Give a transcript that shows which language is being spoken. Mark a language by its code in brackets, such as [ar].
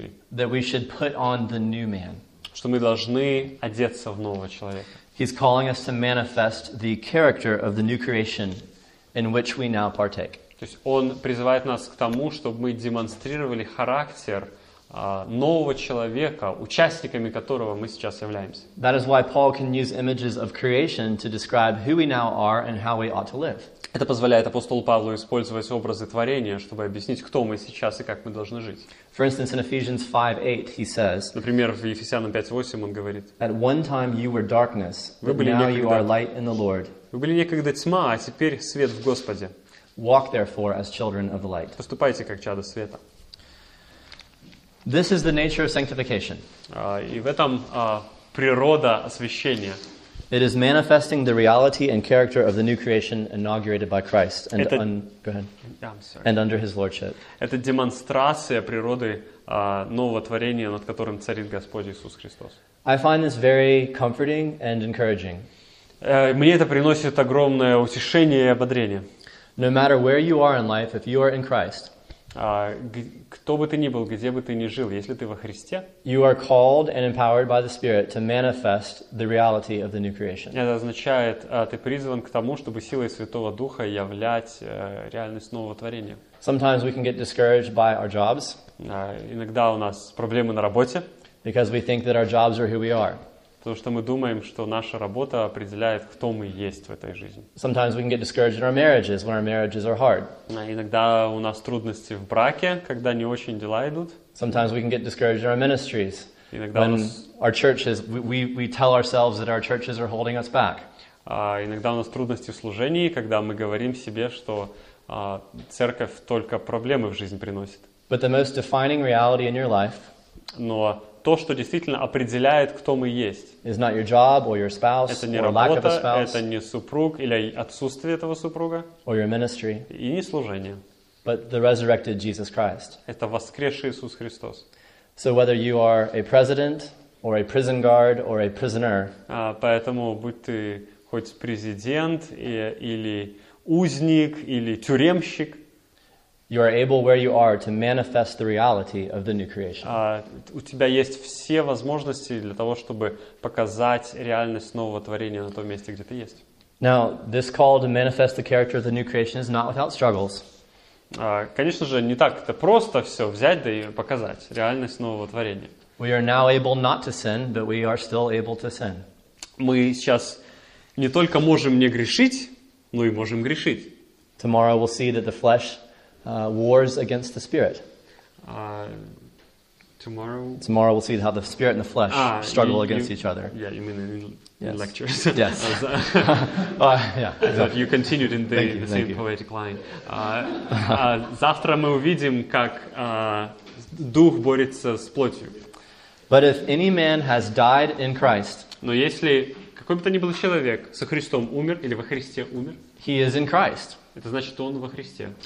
[en] That we should put on the new man. [ru] Что мы должны одеться в нового человека. [en] He's calling us to manifest the character of the new creation in which we now partake. [ru] То есть он призывает нас к тому, чтобы мы демонстрировали характер нового человека, участниками которого мы сейчас являемся. [en] That is why Paul can use images of creation to describe who we now are and how we ought to live. [ru] Это позволяет апостолу Павлу использовать образы творения, чтобы объяснить, кто мы сейчас и как мы должны жить. [en] For instance, in Ephesians 5:8, he says. [ru] Например, в Ефесянам 5:8 он говорит. [en] At one time you were darkness, but now you are light in the Lord. [ru] Вы были некогда тьма, а теперь свет в Господе. [en] Walk therefore as children of the light. [ru] Поступайте как чада света. [en] This is the nature of sanctification. [ru] И в этом природа освящения. [en] It is manifesting the reality and character of the new creation inaugurated by Christ and, [ru] это, [en] and under his lordship. [ru] Это демонстрация природы нового творения, над которым царит Господь Иисус Христос. [en] I find this very comforting and encouraging. [ru] Мне это приносит огромное утешение и ободрение. [en] No matter where you are in life, if you are in Christ, [ru] кто бы ты ни был, где бы ты ни жил, если ты во Христе, [en] you are called and empowered by the Spirit to manifest the reality of the new creation. [ru] Это означает, ты призван к тому, чтобы силой Святого Духа являть реальность нового творения. [en] Sometimes we can get discouraged by our jobs. [ru] Иногда у нас проблемы на работе. [en] Because we think that our jobs are who we are. [ru] Потому что мы думаем, что наша работа определяет, кто мы есть в этой жизни. [en] Sometimes we can get discouraged in our marriages when our marriages are hard. [ru] Иногда у нас трудности в браке, когда не очень дела идут. [en] Sometimes we can get discouraged in our ministries. [ru] Иногда [en] when [ru] нас... [en] our churches, we tell ourselves that our churches are holding us back. [ru] Иногда у нас трудности в служении, когда мы говорим себе, что церковь только проблемы в жизнь приносит. [en] But the most defining reality in your life. [ru] Но то, что действительно определяет, кто мы есть. [en] It's not your job or your spouse, [ru] это не работа, это не супруг или отсутствие этого супруга. [en] Or your ministry. [ru] И не служение. [en] But the resurrected Jesus Christ. [ru] Это воскресший Иисус Христос. [en] So whether you are a president or a prison guard or a prisoner. [ru] Поэтому будь ты хоть президент или узник или тюремщик. [en] You are able where you are to manifest the reality of the new creation. [ru] У тебя есть все возможности для того, чтобы показать реальность нового творения на том месте, где ты есть. [en] Now, this call to manifest the character of the new creation is not without struggles. [ru] Конечно же, не так это просто все взять да и показать реальность нового творения. [en] We are now able not to sin, but we are still able to sin. [ru] Мы сейчас не только можем не грешить, но и можем грешить. [en] Tomorrow we'll see that the flesh wars against the spirit. Tomorrow we'll see how the spirit and the flesh struggle against each other. Yeah, you mean in lectures. Yes. If you continued in the same poetic line. [ru] Завтра мы увидим, как дух борется с плотью. [en] But if any man has died in Christ, [ru] но если какой бы то ни был человек со Христом умер или во Христе умер, [en] he is in Christ. [ru] Это значит, что он во Христе.